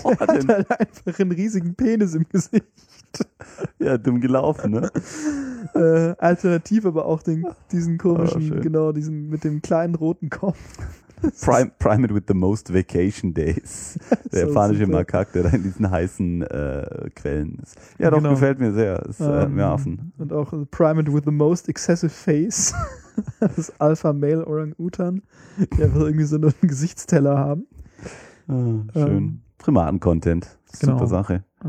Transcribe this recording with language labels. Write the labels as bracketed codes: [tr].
[de] der hat halt einfach einen riesigen Penis im Gesicht. Ja, dumm gelaufen, ne? Alternativ aber auch diesen komischen, genau, diesen mit dem kleinen roten Kopf. [en] Primate with the most vacation days. [de] Der japanische Makak, der da in diesen heißen Quellen ist. Ja, doch, genau. Gefällt mir sehr. Ist mehr Affen. Und auch [en] Primate with the most excessive face. [de] Das ist Alpha Male Orang-Utan. Die einfach irgendwie so einen Gesichtsteller haben. Schön. Primaten-Content. Genau. Super Sache.